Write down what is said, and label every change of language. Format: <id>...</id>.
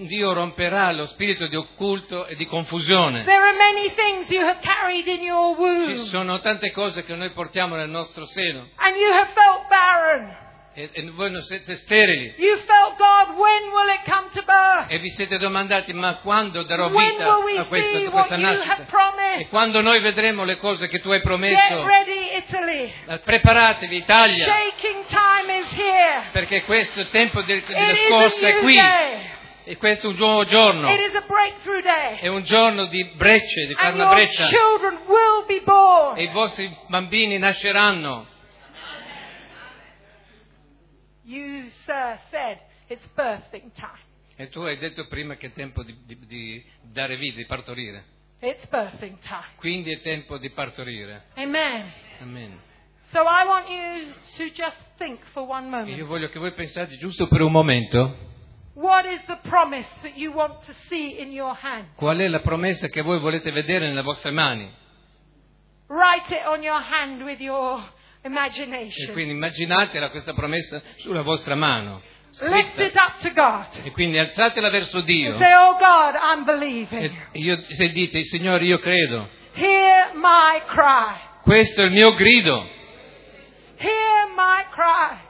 <it>E Dio romperà lo spirito di occulto e di confusione.</it> <en>There are many things you have carried in your womb.</en> <it>Ci sono tante cose che noi portiamo nel nostro seno.</it> <en>And you have felt barren.</en> <it>E voi non siete sterili.</it> <en>You felt God, when will it come to birth?</en> <it>E vi siete domandati, ma quando darò vita a questa nascita? E quando noi vedremo le cose che tu hai promesso?</it> <en>Get ready, Italy.</en> <it>Preparatevi, Italia.</it> <en>Shaking time is here.</en> <it>Perché questo tempo della scossa è qui. E questo è un nuovo giorno.</it> <en>It is a breakthrough day.</en> <it>È un giorno di brecce, di fare</it> <en>And</en> <it>una breccia.</it> <en>Your children will be born.</en> <it>E i vostri bambini nasceranno.</it> <en>You, sir, said it's birthing time.</en> <it>E tu hai detto prima che è tempo di dare vita, di partorire.</it> <en>It's birthing time.</en> <it>Quindi è tempo di partorire.</it> <en>Amen.</en> <it>Amen.</it> <en>So I want you to just think for one moment.</en> <it>Io voglio che voi pensate giusto per un momento.</it> <en>What is the promise that you want to see in your hand?</en> <it>Qual è la promessa che voi volete vedere nelle vostre mani?</it> <en>Write it on your hand with your imagination.</en> <it>E quindi immaginatela questa promessa sulla vostra mano.</it> <en>Lift it up to God.</en> <it>E quindi alzatela verso Dio.</it> <en>Say, oh God, I'm believing.</en> <it>E io, se dite, Signore, io credo.</it> <en>Hear my cry.</en> <it>Questo è il mio grido.</it> <en>Hear my cry.</en>